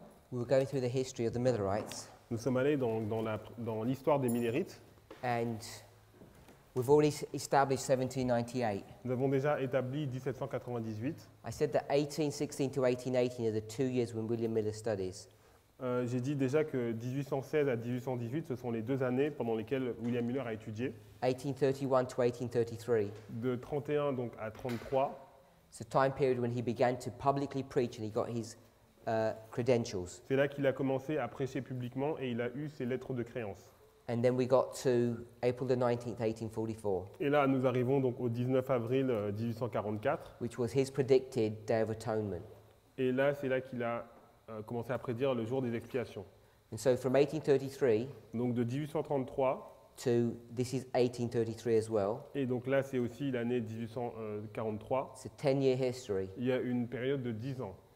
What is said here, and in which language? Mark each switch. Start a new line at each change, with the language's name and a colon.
English: we were going through the history of the Millerites.
French: Nous sommes allés dans l'histoire des Millerites.
English: And we've already established 1798.
French: Nous avons déjà établi 1798.
English: I said that 1816 to 1818 are the 2 years when William Miller studies.
French: J'ai dit déjà que 1816 à 1818, ce sont les 2 années pendant lesquelles William Miller a étudié.
English: 1831 to 1833.
French: De 31 donc à 33.
English: It's the time period when he began to publicly preach and he got his credentials.
French: C'est là qu'il a commencé à prêcher publiquement et il a eu ses lettres de créance.
English: And then we got to April the 19th, 1844.
French: Et là, nous arrivons donc au 19 avril 1844.
English: Which was his predicted Day of Atonement.
French: Et là, c'est là qu'il a commencé à prédire le jour des expiations.
English: And so from 1833.
French: Donc de 1833.
English: To this is 1833 as well.
French: Et donc là, c'est aussi l'année 1843.
English: It's a 10-year history.
French: Il y a une période de 10 ans.